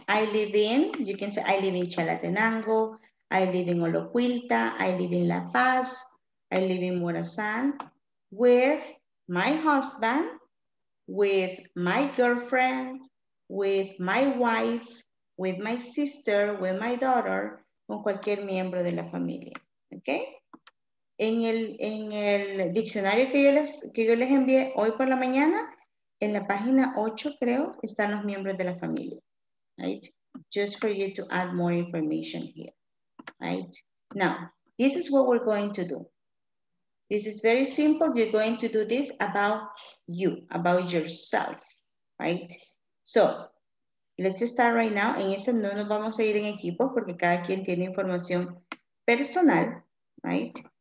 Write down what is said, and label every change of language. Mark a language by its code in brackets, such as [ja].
[en] I live in, you can say, I live in Chalatenango, I live in Olocuilta, I live in La Paz, I live in Morazan, with my husband, with my girlfriend, with my wife, with my sister, with my daughter, [es] con cualquier miembro de la familia, [en] okay? [es] En el diccionario que yo les envié hoy por la mañana, en la página 8 creo, están los miembros de la familia, right? [en] Just for you to add more information here, right? Now, this is what we're going to do. This is very simple, you're going to do this about you, about yourself, right? So, let's start right now. [es] En ese no nos vamos a ir en equipo porque cada quien tiene información personal, right?